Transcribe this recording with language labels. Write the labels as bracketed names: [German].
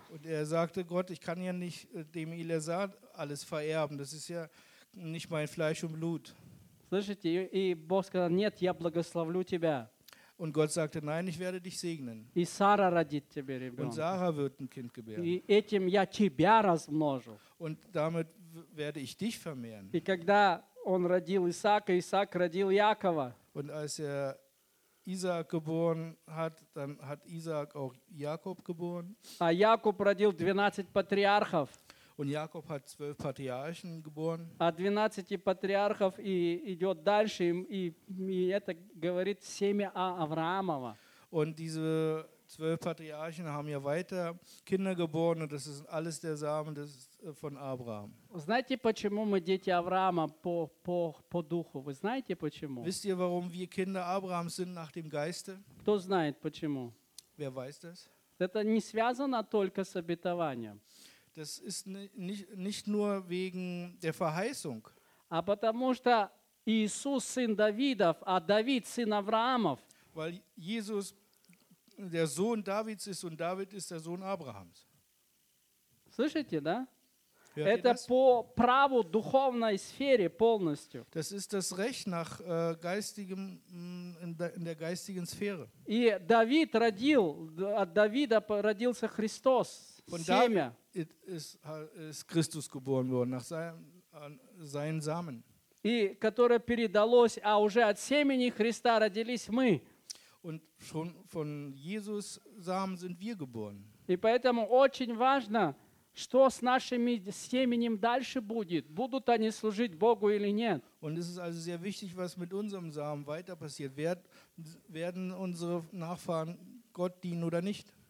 [German] Und er sagte, Gott, ich kann ja nicht dem Илиазар alles vererben, das ist ja nicht mein Fleisch und Blut. [Russian] Слышите, и Бог сказал, нет, я благословлю тебя. [German] Und Gott sagte, nein, ich werde dich segnen. [Russian] И Сара родит тебе ребенка. [German] Und Sarah wird ein Kind gebären. [Russian] И этим я тебя размножу. [German] Und damit werde ich dich vermehren. [Russian] И когда... Он родил Исаака, Исаак родил Якова. [German] Und als er Isaac geboren hat, dann hat Isaac auch Jakob geboren. [Russian] А Якоб родил 12 патриархов. [German] Und Jakob hat 12 Patriarchen geboren. [Russian] А 12 патриархов и идет дальше, и это говорит семя Авраамова. [German] Und diese 12 Patriarchen haben ja weiter Kinder geboren, und das ist alles der Samen des von Abraham. [Russian] Знаете, почему мы дети Авраама по духу? Вы знаете почему? [German] Wisst ihr, warum wir Kinder Abrahams sind nach dem Geiste? [Russian] Кто знает почему? [German] Wer weiß das? [Russian] Это не связано только с обетованием. [German] Das ist nicht nur wegen der Verheißung. [Russian] А потому что Иисус сын Давидов, а Давид сын Авраамов. [German] Weil Jesus der Sohn Davids ist und David ist der Sohn Abrahams. [Russian] Слышите, да? Это по праву духовной сфере полностью. [German] Das ist das Recht nach geistigem in der geistigen Sphäre. [Russian] И Давид родил, от Давида родился Христос, семя. [German] Ist Christus geboren worden nach seinen Samen. [Russian] И которое передалось, а уже от семени Христа родились мы. [German] Und schon von Jesus Samen sind wir geboren. [Russian] И поэтому очень важно, что с нашим семенем дальше будет? Будут они служить Богу или нет? [German] Und es ist also sehr wichtig, was mit unserem Samen weiter passiert. Werden unsere Nachfahren Gott dienen oder nicht?